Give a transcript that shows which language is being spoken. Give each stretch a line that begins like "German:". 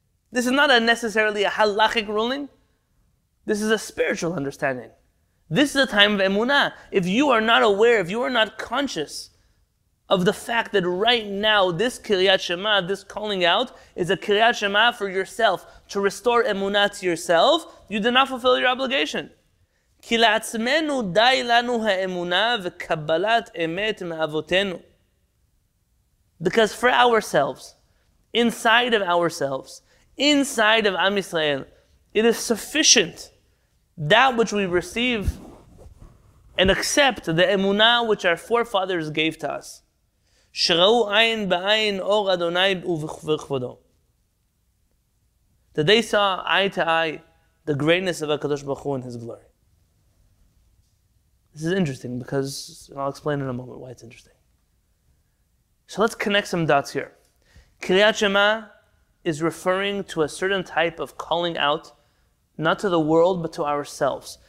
English: This is not necessarily a halachic ruling. This is a spiritual understanding. This is a time of emuna. If you are not aware, if you are not conscious of the fact that right now this Kiryat Shema, this calling out, is a Kiryat Shema for yourself, to restore emuna to yourself, you did not fulfill your obligation.
Hebrew: כי לעצמנו די לנו האמונה וקבלת אמת מאבותינו.
English: Because for ourselves, inside of ourselves, inside of Am Yisrael, it is sufficient that which we receive and accept the אמונה which our forefathers gave to us.
Hebrew: שראו עין בעין אור אדוני וכבודו.
English: That they saw eye to eye the greatness of HaKadosh Baruch Hu and His glory. This is interesting because, and I'll explain in a moment why it's interesting. So let's connect some dots here. Kiryat Shema is referring to a certain type of calling out, not to the world, but to ourselves.